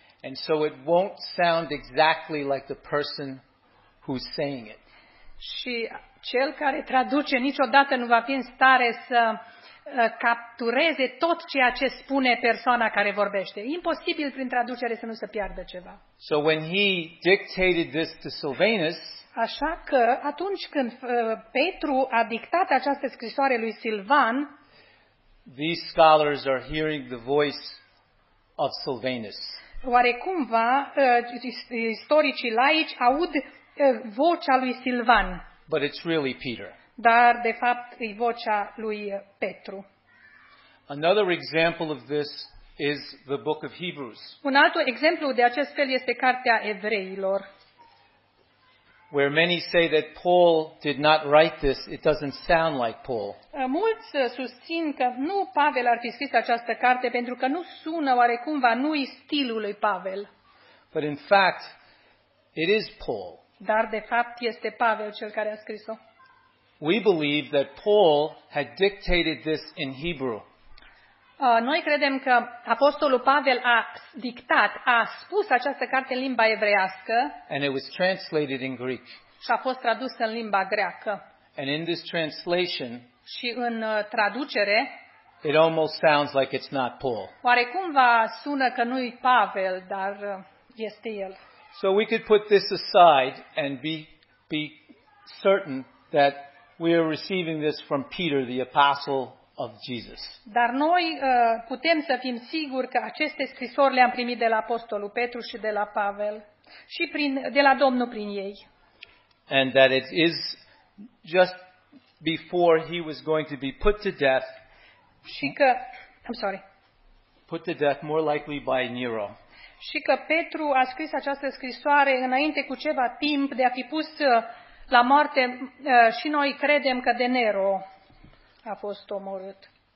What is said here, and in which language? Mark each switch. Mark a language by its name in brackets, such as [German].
[English] And so it won't sound exactly like the person who's saying it. [Romanian] Și cel care traduce niciodată nu va fi în stare să captureze tot ceea ce spune persoana care vorbește. Imposibil prin traducere să nu se piardă ceva. [English] So when he dictated this to Silvanus, [Romanian] așa că atunci când Petru a dictat această scrisoare lui Silvan, [English] these scholars are hearing the voice of Silvanus. [Romanian] Oarecumva, istoricii laici aud vocea lui Silvan. [English] But it's really Peter. [Romanian] Dar, de fapt, e vocea lui Petru. [English] Another example of this is the book of Hebrews. [Romanian] Un alt exemplu de acest fel este Cartea Evreilor. [English] Where many say that Paul did not write this, it doesn't sound like Paul. [Romanian] Mulți susțin că nu Pavel ar fi scris această carte pentru că nu sună oarecumva, nu-i stilul lui Pavel. [English] But in fact, it is Paul. [Romanian] Dar de fapt este Pavel cel care a scris-o. [English] We believe that Paul had dictated this in Hebrew. [Romanian] Noi credem că apostolul Pavel a dictat, a spus această carte în limba evreiască. [English] And it was translated in Greek. [Romanian] Și a fost tradus în limba greacă. [English] And in this translation, [Romanian] și în traducere, [English] it almost sounds like it's not Paul. [Romanian] Oarecumva sună că nu-i Pavel, dar este el. [English] So we could put this aside and be certain that we are receiving this from Peter, the apostle of Jesus. [Romanian] Dar noi putem să fim siguri că aceste scrisori le-am primit de la apostolul Petru și de la Pavel și de la Domnul prin ei. [English] And that it is just before he was going to be put to death. [Romanian] Și că, [English] I'm sorry. Put to death more likely by Nero. [Romanian] Și că Petru a scris această scrisoare înainte cu ceva timp de a fi pus la moarte și noi credem că de Nero a fost omorât.